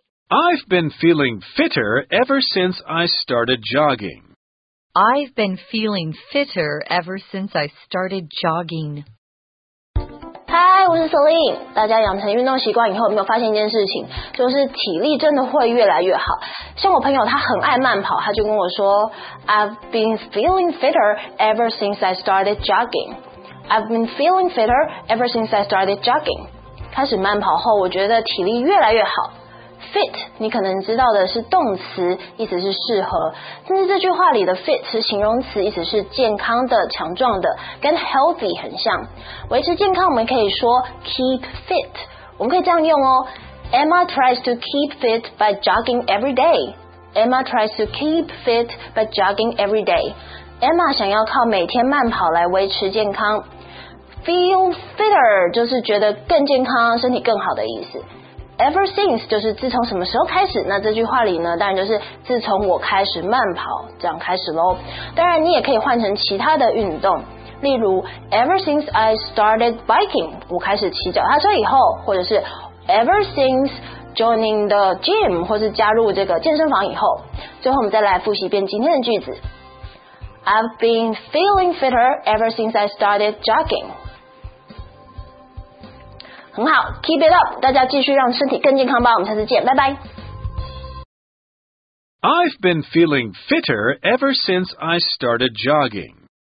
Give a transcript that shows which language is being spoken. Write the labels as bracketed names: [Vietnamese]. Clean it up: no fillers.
[English] I've been feeling fitter ever since I started jogging. I've been feeling fitter ever since I started jogging. [Chinese] Hi, 我是 Celine。大家养成运动习惯以后，有没有发现一件事情，就是体力真的会越来越好。像我朋友他很爱慢跑，他就跟我说 [English] I've been feeling fitter ever since I started jogging。 I've been feeling fitter ever since I started jogging. [Chinese] 开始慢跑后，我觉得体力越来越好。Fit, 你可能知道的是动词，意思是适合。但是这句话里的 fit 是形容词，意思是健康的、强壮的，跟 healthy 很像。维持健康，我们可以说 keep fit. 我们可以这样用哦。 [English] Emma tries to keep fit by jogging every day. Emma tries to keep fit by jogging every day. Emma [Chinese] 想要靠每天慢跑来维持健康。 Feel fitter 就是觉得更健康，身体更好的意思。 Ever since 就是自从什么时候开始，那这句话里呢，当然就是自从我开始慢跑，这样开始咯。当然你也可以换成其他的运动，例如 [English] Ever since I started biking, [Chinese] 我开始骑脚踏车以后，或者是 [English] Ever since joining the gym, [Chinese] 或是加入这个健身房以后。最后我们再来复习一遍今天的句子。 [English] I've been feeling fitter ever since I started jogging. [Chinese] 很好， [English] keep it up， [Chinese] 大家继续让身体更健康吧，我们下次见，拜拜。 [English] I've been feeling fitter ever since I started jogging.